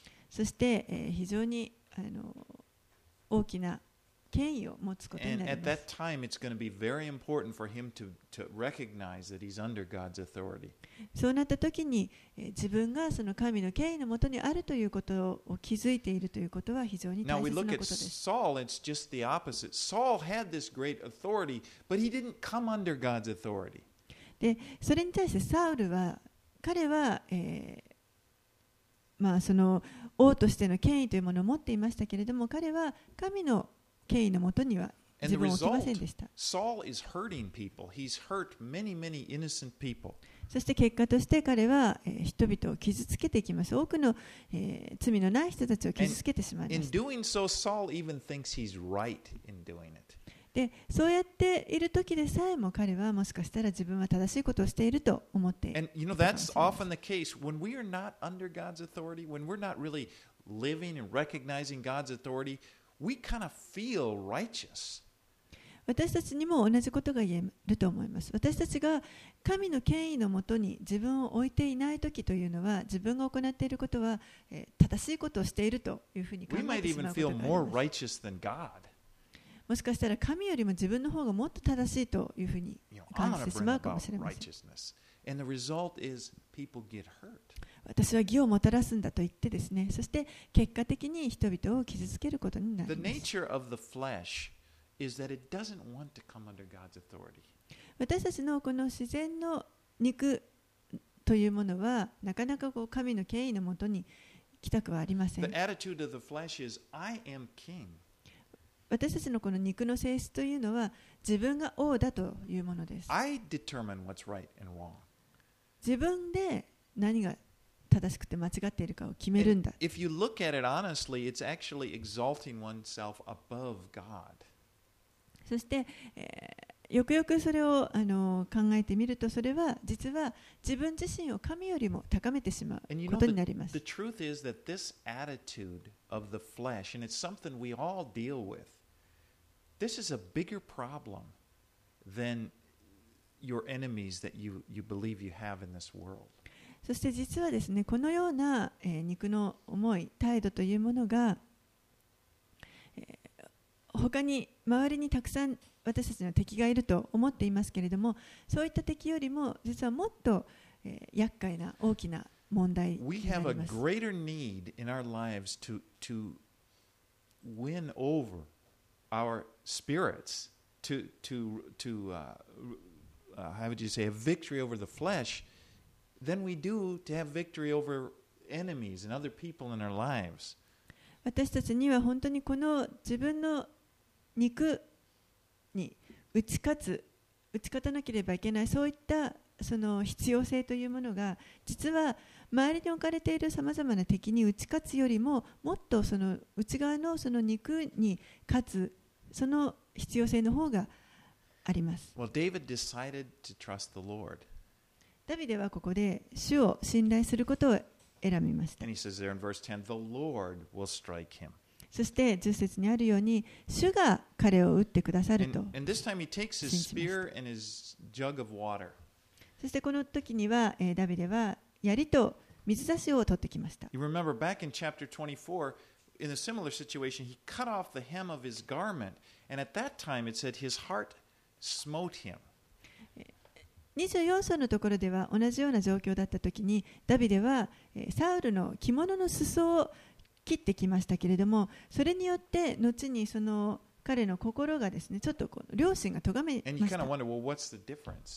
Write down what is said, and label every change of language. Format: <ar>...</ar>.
<ja>そして非常に大きな権威を持つことになります。そうなった時に、自分がその神の権威のもとにあるということを気づいているということは非常に大切なことです。</ja> <en>Now we look at Saul, it's just the opposite. Saul had this great authority, but he didn't come under God's authority.</en> <ja>で、それに対してサウルは、彼は、まあその王としての権威というものを持っていましたけれども、彼は神の権威のもとには自分を置きませんでした。</ja> <en>Saul is hurting people. He's hurt many, many innocent people.</en> <ja>そして結果として彼は人々を傷つけていきます。多くの罪のない人たちを傷つけてしまいました。</ja> <en>Saul even thinks he's right in doing it.</en> <ja>で、そうやっている時でさえも彼はもしかしたら自分は正しいことをしていると思っている。</ja> <en>And you know, that's often the case when we are not under God's authority, when we're not really living and recognizing God's authority, we kind of feel righteous.</en> <ja>私たちにも同じことが言えると思います。私たちが神の権威のもとに自分を置いていないときというのは、自分が行っていることは、正しいことをしているというふうに考えてしまうことがあります。</ja> <en>We might even feel more righteous than God.</en> <ja>もしかしたら神よりも自分の方がもっと正しいというふうに感じてしまうかもしれません。</ja> <en>And the result is people get hurt.</en> <ja>私は義をもたらすんだと言ってですね、そして結果的に人々を傷つけることになります。</ja> <en>The nature of the flesh.Is that it doesn't want to come under God's authority.</en> <ja>私たちのこの自然の肉というものはなかなかこう神の権威のもとに来たくはありません。</ja> <en>The attitude of the flesh is, I am king.</en> <ja>私たちのこの肉の性質というのは自分が王だというものです。</ja> <en>I determine what's right and wrong.</en> <ja>自分で何が正しくて間違っているかを決めるんだ。</ja> <en>If you look at it honestly, it's actually exalting oneself above God.</en> <ja>そして、よくよくそれを考えてみるとそれは実は自分自身を神よりも高めてしまうことになります。</ja> <en>the truth is that this attitude of the flesh, and it's something we all deal with, this is a bigger problem than your enemies that you believe you have in this world.</en> <ja>そして実はですね、このような肉の思い態度というものが他に周りにたくさん私たちの敵がいると思っていますけれども、そういった敵よりも実はもっと、厄介な大きな問題になります。</ja> <en>We have a greater need in our lives to win over our spirits how would you say, a victory over the flesh than we do to have victory over enemies and other people in our lives.</en> <ja>私たちには本当にこの自分の肉に打ち勝たなければいけない、そういったその必要性というものが実は周りに置かれているさまざまな敵に打ち勝つよりももっとその内側のその肉に勝つその必要性の方があります。</ja> <en>Well, David decided to trust the Lord.</en> <ja>ダビデはここで主を信頼することを選びました。</ja> <en>And he says there in verse 10, the Lord will strike him.</en> <ja>そして10節にあるように主が彼を打ってくださると信じました。そしてこの時にはダビデは槍と水差しを取ってきました。</ja> <en>You remember back in chapter 24, in a similar situation, he cut off the hem of his garment, and at that time it said his heart smote him.</en> <ja>24章のところでは同じような状況だった時にダビデはサウルの着物の裾を切ってきましたけれども、それによって後にその彼の心がですねちょっとこう良心が咎めました。</ja>